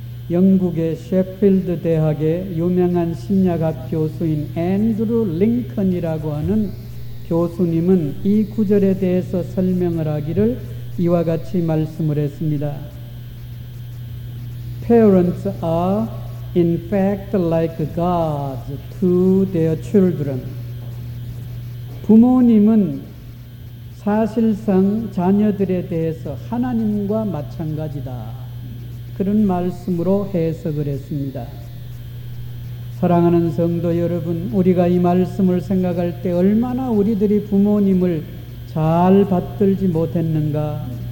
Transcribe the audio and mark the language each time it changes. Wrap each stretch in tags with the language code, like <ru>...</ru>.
<ko>영국의 셰필드 대학의 유명한 심리학 교수인 앤드루 링컨이라고 하는 교수님은 이 구절에 대해서 설명을 하기를 이와 같이 말씀을 했습니다.</ko> <en>Parents are in fact like gods to their children.</en> <ko>부모님은 사실상 자녀들에 대해서 하나님과 마찬가지다. 그런 말씀으로 해석을 했습니다. 사랑하는 성도 여러분, 우리가 이 말씀을 생각할 때 얼마나 우리들이 부모님을 잘 받들지 못했는가.</ko>